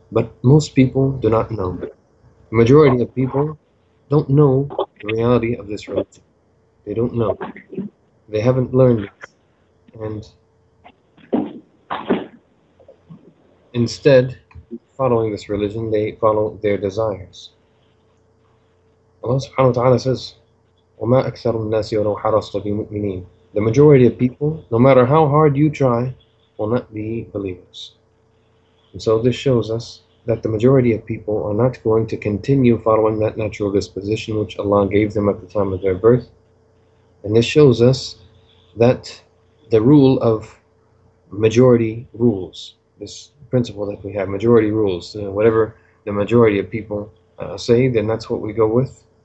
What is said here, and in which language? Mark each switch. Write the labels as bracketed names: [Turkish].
[English] But most people do not know. The majority of people don't know the reality of this religion. They don't know. They haven't learned it. And instead, following this religion, they follow their desires. Allah subhanahu wa ta'ala says, [Arabic] وَمَا أَكْثَرُ النَّاسِ وَلَوْ حَرَصْتَ بِمُؤْمِنِينَ. [English] The majority of people, no matter how hard you try, will not be believers. And so this shows us that the majority of people are not going to continue following that natural disposition which Allah gave them at the time of their birth. And this shows us that the rule of majority rules, this principle that we have, majority rules, whatever the majority of people say, then that's what we go with.